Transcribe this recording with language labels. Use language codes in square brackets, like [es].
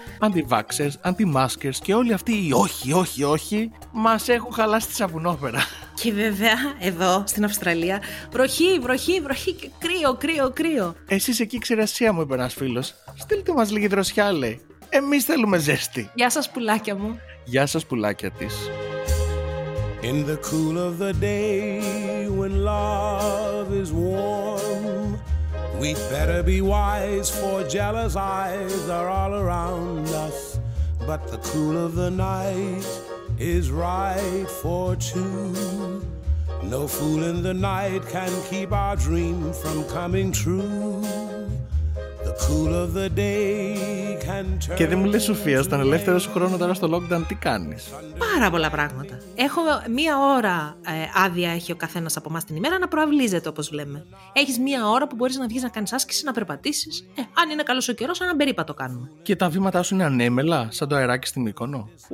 [el] Αντιβάξες, αντιμάσκες και όλοι αυτοί οι όχι, μας έχουν χαλάσει τη σαπουνόπερα. Και βέβαια εδώ στην Αυστραλία βροχή και κρύο. Εσείς εκεί ξηρασία μου, είπε ένας φίλος. Στείλτε μας λίγη δροσιά, λέει. Εμείς θέλουμε ζέστη. Γεια σας πουλάκια μου. Γεια σας πουλάκια της. [en] In the cool of the day when love is warm, we better be wise for jealous eyes are all around us. But the cool of the night is right for two. No fool in the night can keep our dream from coming true. The cool of the day can turn. [el] Και δεν μου λες, Σοφία, στον ελεύθερο σου χρόνο τώρα στο lockdown τι κάνεις? Πάρα πολλά πράγματα. Έχω μία ώρα άδεια έχει ο καθένας από εμάς την ημέρα να προαυλίζεται, όπως λέμε. Έχεις μία ώρα που μπορείς να βγεις να κάνεις άσκηση, να περπατήσεις. Αν είναι καλός ο καιρός, ένα περίπατο κάνουμε. Και τα βήματά σου είναι ανέμελα, σαν το αεράκι στην Μύκονο.